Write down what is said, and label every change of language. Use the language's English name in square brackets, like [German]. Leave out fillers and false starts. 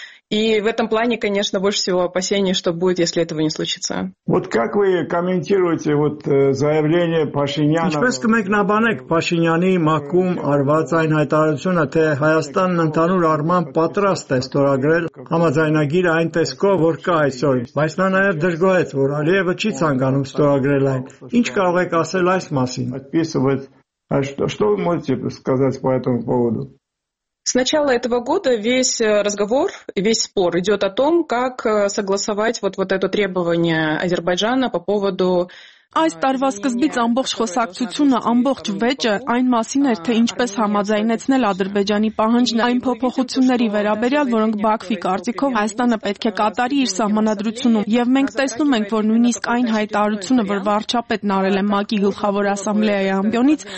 [Russian] И в этом плане, конечно, больше всего опасений, что будет, если этого не случится. Вот как вы комментируете вот заявление Пашиняна? [Armenian] Ինչպես կմեկնաբանեք Փաշինյանի մակում արված այն հայտարարությունը, թե Հայաստանն ընդհանուր առմամբ պատրաստ է ստորագրել համաձայնագիրը այն տեսքով, որ կա այսօր, բայց նա նաև դժգոհեց, որ Ալիևը չի ցանկանում ստորագրել այն։ Ինչ կարող եք ասել այս մասին? [Russian] Что вы можете сказать по этому поводу? С начала этого года весь разговор, весь спор идет о том, как согласовать вот это требование Азербайджана по поводу... [Armenian] Այս տարվա սկզբից ամբողջ խոսակցությունը, ամբողջ վեճը այն մասին էր, թե ինչպես համաձայնեցնել Ադրբեջանի պահանջն այն փոփոխությունների վերաբերյալ, որոնք Բաքվի կարծիքով Հայաստանը պետք է կատարի իր սահմանադրությունում։ Եվ մենք տեսնում ենք, որ նույնիսկ այն հայտարարությունը, որ վարչապետն արել է ՄԱԿ-ի գլխավոր ասամբլեայի ամբիոնից,